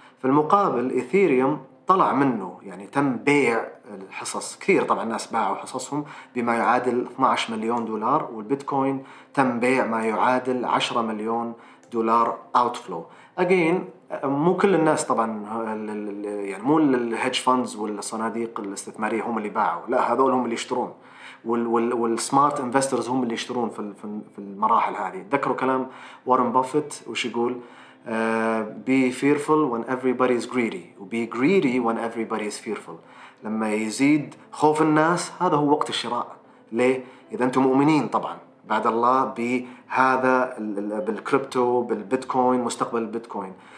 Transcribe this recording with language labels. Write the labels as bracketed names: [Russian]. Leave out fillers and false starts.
[Arabic] في المقابل إثيريوم طلع منه، يعني تم بيع الحصص، كثير طبعا الناس باعوا حصصهم بما يعادل 12 مليون دولار، والبيتكوين تم بيع ما يعادل 10 مليون دولار outflow. again مو كل الناس طبعا، يعني مو الهيدج فاندز والصناديق الاستثمارية هم اللي باعوا، لا، هذول هم اللي يشترون، والسمارت انفسترز هم اللي يشترون في المراحل هذه. تذكروا كلام وارن بافيت وش يقول؟ [English] be fearful when everybody is greedy وbe greedy when everybody is fearful. [Arabic] لما يزيد خوف الناس هذا هو وقت الشراء. ليه؟ إذا أنتم مؤمنين طبعا بعد الله بهذا بالكريبتو بالبيتكوين، مستقبل البيتكوين.